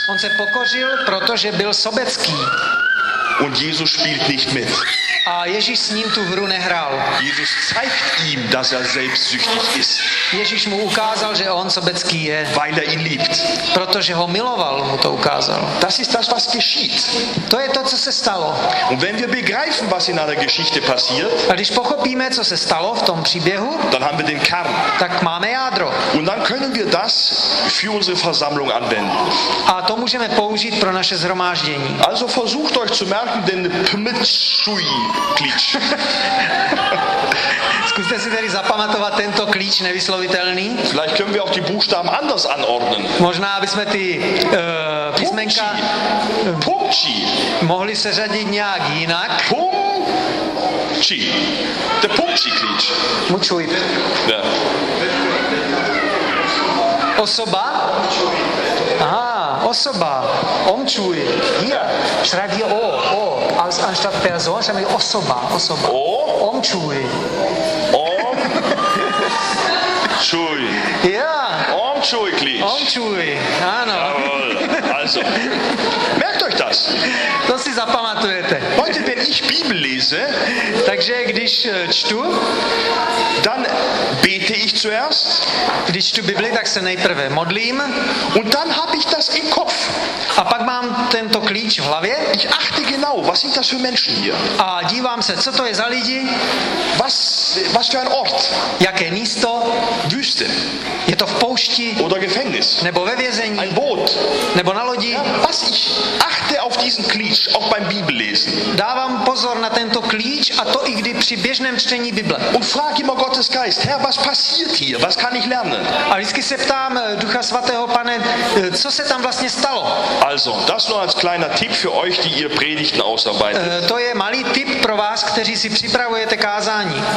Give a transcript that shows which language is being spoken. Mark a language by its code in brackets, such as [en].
[cs] On se pokořil, protože byl sobecký. [de] und Jesus spielt nicht mit. [cs] A Ježíš s ním tu hru nehrál. [de] Jesus zeigt ihm, dass er selbstsüchtig ist. [cs] Ježíš mu ukázal, že on sobecký je. [de] Weil er ihn liebt. [cs] Protože ho miloval, mu to ukázal. [de] Das ist das, was geschieht. [cs] To je to, co se stalo. [de] Und wenn wir begreifen, was in einer Geschichte passiert, [cs] a když pochopíme, co se stalo v tom příběhu, [de] dann haben wir den Kern. [cs] Tak máme jádro. [de] Und dann können wir das für unsere Versammlung anwenden. [cs] A to můžeme použít pro naše shromáždění. [de] Also versucht euch zu merken, den Pmitschui. [cs] Klíč. Zkuste si tedy zapamatovat tento klíč nevyslovitelný. [de] Vielleicht können wir auch die Buchstaben anders anordnen. [cs] Možná bychom ty písmenka Pumči. Mohli se řadit nějak jinak. [de] Pumči. Der Pumči klíč. Mučuj. Ja. [cs] Osoba. Aha, osoba. Omčuj. [de] Hier. Schreib hier O. O. Als anstatt Person schreibe ich Osoba. [cs] Osoba. O. Omčuj. Omčuj. Ja. Omčuj klíč. Omčuj. Ano. [de] Jawohl. Also. Merkt euch das. [cs] To si zapamatujete. [de] Heute, wenn ich Bibel lese, [cs] takže když čtu, [de] dann bete ich zuerst. [cs] Když čtu Bibli, tak se nejprve modlím. [de] Und dann habe ich das im Kopf. [cs] A pak mám tento klíč v hlavě. [de] Ich achte genau, was sind das für Menschen hier? [cs] A dívám se, co to je za lidi? [de] Was für ein Ort? [cs] Jaké místo? [de] Wüste. [cs] Je to v poušti? [de] Oder Gefängnis. [cs] Nebo ve vězení? [de] Ein Boot. [cs] Nebo na lodi? [de] Ja, was ich achte auf diesen Klíč, auch beim Bibellesen. [cs] Dávám pozor na tento klíč a to i kdy při běžném čtení Bible. [de] Und frag immer Gottes Geist, Herr, was passiert hier? Was kann ich lernen? [cs] A vždycky se ptám Ducha Svatého, Pane, co se tam vlastně stalo? [de] Also, das nur als kleiner Tipp für euch, die ihr Predigten ausarbeitet. [cs] To je malý tip pro vás, kteří si připravujete kázání.